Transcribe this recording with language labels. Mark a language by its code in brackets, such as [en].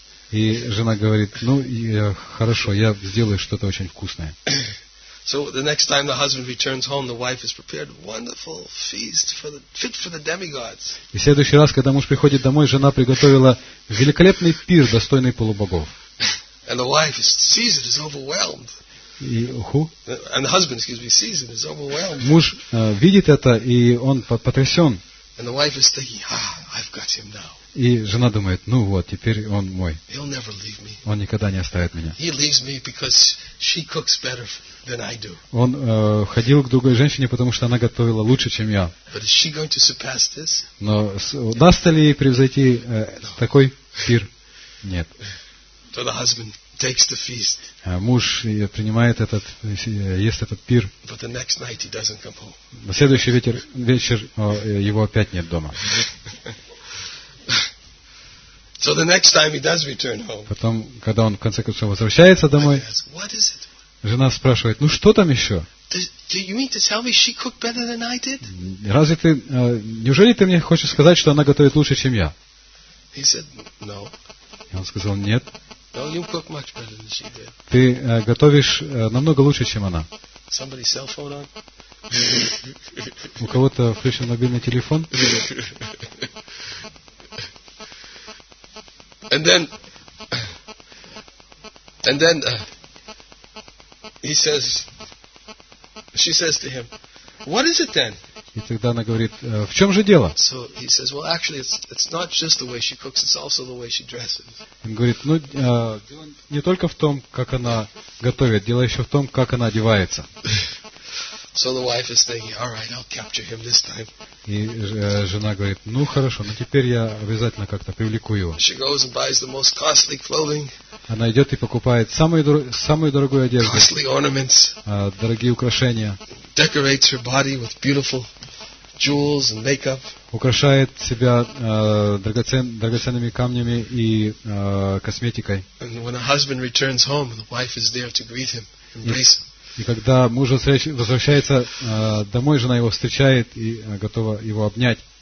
[ru] И жена говорит, ну, хорошо, я сделаю что-то очень вкусное. [en] So the next time the husband returns home, the wife has prepared a wonderful feast fit for the demigods. [ru] И в следующий раз, когда муж приходит домой, жена приготовила великолепный пир, достойный полубогов. [en] And the wife sees it, is overwhelmed. И who? And the husband, excuse me, sees it, is overwhelmed. [ru] Муж видит это, и он потрясен. [en] And the wife is thinking, ah, I've got him now. [ru] И жена думает, ну вот, теперь он мой. [en] He'll never leave me. [ru] Он никогда не оставит меня. [en] He leaves me because she cooks better than I do. [ru] Он ходил к другой женщине, потому что она готовила лучше, чем я. [en] But is she going to surpass this? [ru] Но удастся ли ей превзойти такой пир? Нет. [en] So the husband takes the feast. [ru] Муж принимает этот, ест этот пир. [en] But the next night he doesn't come home. [ru] На следующий вечер его опять нет дома. [en] So the next time he does return home. [ru] Потом, когда он в конце концов возвращается домой, жена спрашивает: "Ну что там еще? [en] Do you mean to tell me she cooked better than I did?" [ru] Разве ты, неужели ты мне хочешь сказать, что она готовит лучше, чем я? [en] He said, "No." [ru] И он сказал: "Нет." [en] No, you cook much better than she did. [ru] Ты готовишь намного лучше, чем она. [en] Somebody's cell phone on. [ru] У кого-то включен мобильный телефон. [en] And then, And then he says, she says to him, "What is it then?" [ru] И тогда она говорит, в чем же дело? [en] So he says, "Well, actually, it's not just the way she cooks; it's also the way she dresses." [ru] Он говорит, ну дело не только в том, как она готовит, дело еще в том, как она одевается. [en] So the wife is thinking, "All right, I'll capture him this time." [ru] И жена говорит, ну хорошо, но теперь я обязательно как-то привлеку его. [en] She goes and buys the most costly clothing. [ru] Она идет и покупает самую дорогую одежду. [en] Costly ornaments. [ru] Дорогие украшения. [en] Decorates her body with beautiful jewels and makeup. [ru] Украшает себя драгоценными камнями и косметикой. [en] And when her husband returns home, the wife is there to greet him, embrace him. [ru] И когда муж возвращается домой, жена его встречает и готова его обнять.